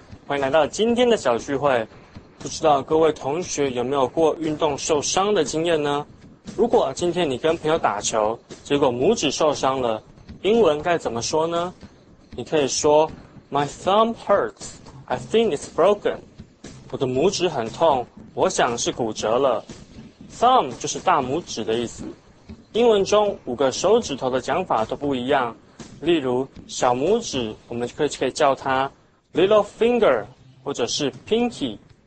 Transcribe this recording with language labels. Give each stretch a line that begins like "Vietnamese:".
Chinese: 欢迎来到今天的小聚会。不知道各位同学有没有过运动受伤的经验呢？如果今天你跟朋友打球，结果拇指受伤了，英文该怎么说呢？你可以说
English: My thumb hurts, I think it's broken.
Chinese: 我的拇指很痛，我想是骨折了。Thumb 就是大拇指的意思。英文中五个手指头的讲法都不一样。例如小拇指，我们可以叫它 little finger， 或者是 pinky。